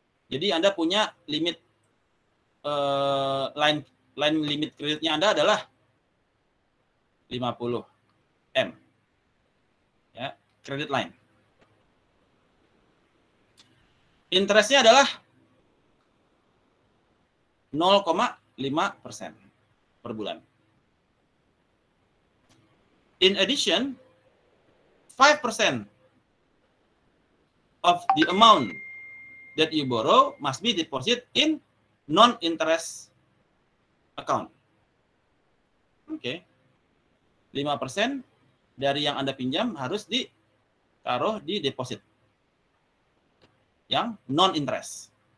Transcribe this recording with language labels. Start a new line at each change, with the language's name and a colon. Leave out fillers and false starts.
Indonesian: Jadi Anda punya limit line limit kreditnya Anda adalah 50 M. Ya,
English: credit line.
Indonesian: Interest-nya adalah 0,5% per bulan.
English: In addition, 5% of the amount that you borrow must be deposit in non-interest account. Okay.
Indonesian: 5% dari yang Anda pinjam harus ditaruh di deposit yang non-interest.